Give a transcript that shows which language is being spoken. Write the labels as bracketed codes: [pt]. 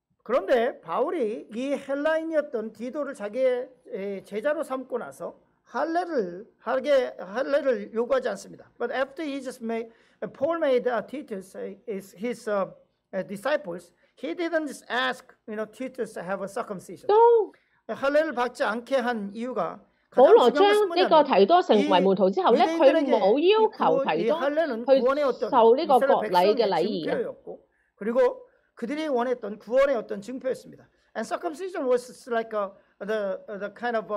[ko] 그런데바울이이헬라인이었던디도를자기의제자로삼고나서할례를요구하지않습니다. [en] But after he just made Paul made Titus his disciples, he didn't just ask, you know, Titus to have a circumcision. [ko] 할례를받지않게한이유가 [yue] 保罗将呢个提多成为门徒之后咧，佢冇要求提多去受呢个割礼嘅礼仪。 [ko] 그리고그들이원했던구원의어떤증표였습니다 [en] And circumcision was like the kind of